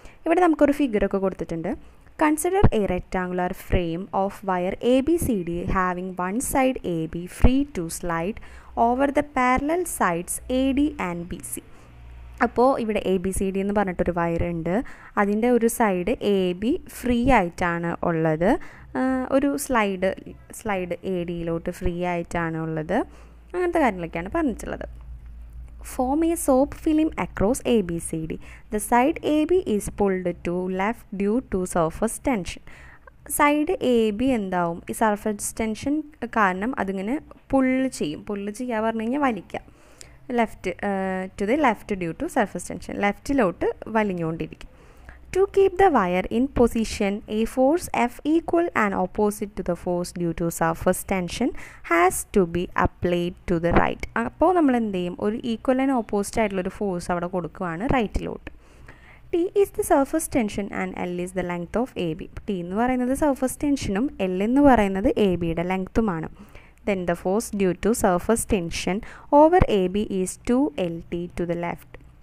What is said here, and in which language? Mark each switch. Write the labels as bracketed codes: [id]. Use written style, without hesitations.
[ml] ഇവിടെ നമുക്കൊരു ഫിഗറൊക്കെ കൊടുത്തിട്ടുണ്ട്. [en] Consider a rectangular frame of wire A B C D having one side A B free to slide over the parallel sides A D and B C. [ml] അപ്പോൾ ഇവിടെ A B C D എന്ന് പറഞ്ഞിട്ടൊരു വയറുണ്ട്, അതിൻ്റെ ഒരു side A B free ആയിട്ടാണ് ഉള്ളത്, ഒരു slide A ഡിയിലോട്ട് free ആയിട്ടാണ് ഉള്ളത്, അങ്ങനത്തെ കാര്യങ്ങളൊക്കെയാണ് പറഞ്ഞിട്ടുള്ളത്. [en] Form a soap film across ABCD. The side AB is pulled to left due to surface tension. [ml] Side AB എന്താവും? ഈ സർഫസ് ടെൻഷൻ കാരണം അതിങ്ങനെ പുള്ള് ചെയ്യും. പുള്ള് ചെയ്യുക പറഞ്ഞു കഴിഞ്ഞാൽ വലിക്കാം. [en] left to the left due to surface tension, [ml] ലെഫ്റ്റിലോട്ട് വലിഞ്ഞുകൊണ്ടിരിക്കും. [en] To keep the wire in position, a force F equal and opposite to the force due to surface tension has to be applied to the right. [ml] അപ്പോൾ നമ്മൾ എന്ത് ചെയ്യും? ഒരു equal and opposite ആയിട്ടുള്ളൊരു force അവിടെ കൊടുക്കുകയാണ് റൈറ്റിലോട്ട്. [en] T is the surface tension and L is the length of A B. [ml] T എന്ന് പറയുന്നത് സർഫസ് ടെൻഷനും എൽ എന്ന് പറയുന്നത് എ ബിയുടെ ലെങ്ത്തുമാണ്. [en] Then the force due to surface tension over A B is two L T to the left.